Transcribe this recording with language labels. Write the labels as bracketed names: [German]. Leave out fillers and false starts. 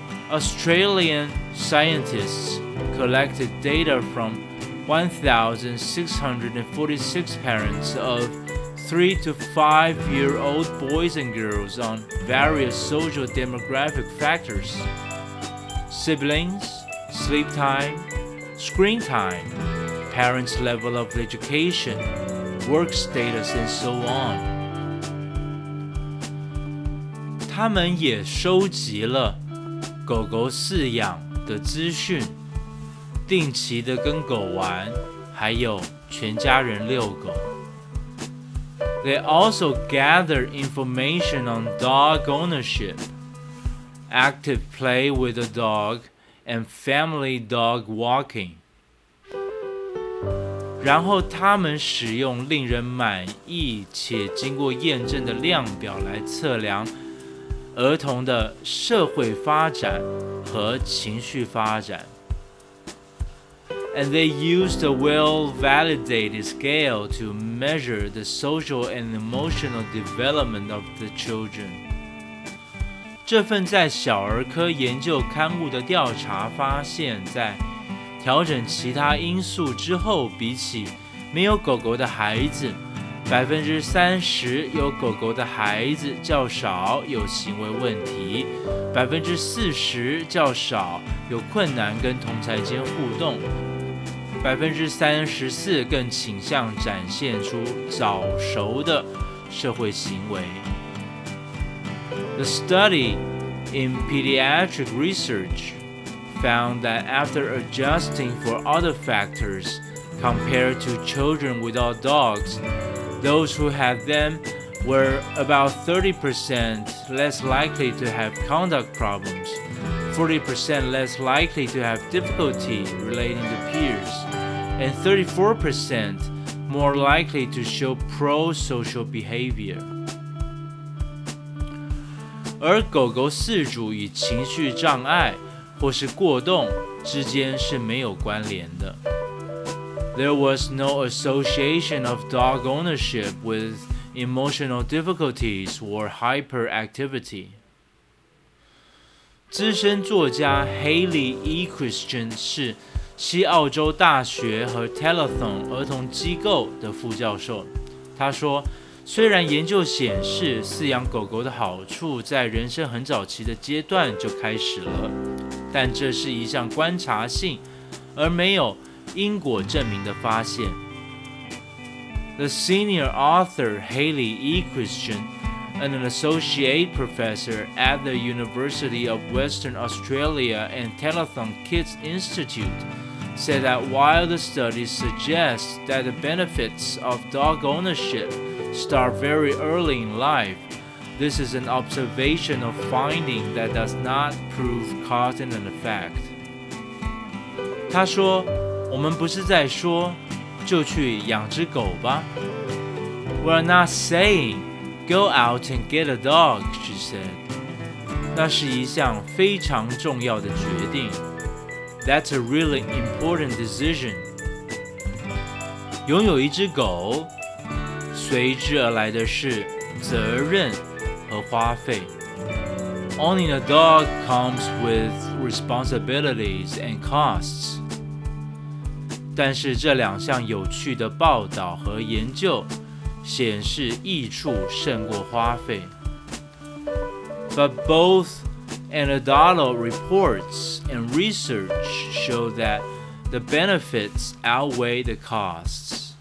[English] Australian scientists collected data from 1,646 parents of 3 to 5 year old boys and girls on various social demographic factors, siblings, sleep time, screen time, parents' level of education, work status, and so on. [Chinese] 他们也收集了狗狗饲养的资讯，定期的跟狗玩，还有全家人遛狗。 [English] They also gather information on dog ownership, active play with a dog, and family dog walking. [Chinese] 然后他们使用令人满意且经过验证的量表来测量儿童的社会发展和情绪发展。 [English] And they used a well-validated scale to measure the social and emotional development of the children. [Chinese] 这份在小儿科研究刊物的调查发现，在调整其他因素之后，比起没有狗狗的孩子，30%有狗狗的孩子较少有行为问题，40%较少有困难跟同侪间互动。 34%更倾向展现出早熟的社会行为。 [English] The study in pediatric research found that after adjusting for other factors compared to children without dogs, those who had them were about 30% less likely to have conduct problems, 40% less likely to have difficulty relating to peers. And 34% more likely to show pro-social behavior. [Chinese] 而狗狗饲主与情绪障碍或是过动之间是没有关联的。 [English] There was no association of dog ownership with emotional difficulties or hyperactivity. [Chinese] 资深作家 Haley E. Christian 是西澳洲大学和 Telethon 儿童机构的副教授，他说，虽然研究显示饲养狗狗的好处在人生很早期的阶段就开始了，但这是一项观察性而没有因果证明的发现。 [English] The senior author Haley E. Christian and an associate professor at the University of Western Australia and Telethon Kids InstituteSaid that while the study suggests that the benefits of dog ownership start very early in life, this is an observational finding that does not prove cause and effect. [Chinese] 他说，我们不是在说，就去养只狗吧。 [English] We're not saying, go out and get a dog, she said. [Chinese] 那是一项非常重要的决定。 [English] That's a really important decision. [Chinese] 拥有一只狗，随之而来的是责任和花费。 [English] Owning a dog comes with responsibilities and costs. [Chinese] 但是这两项有趣的报道和研究显示益处胜过花费。 [English] But both anecdotal reports and research show that the benefits outweigh the costs.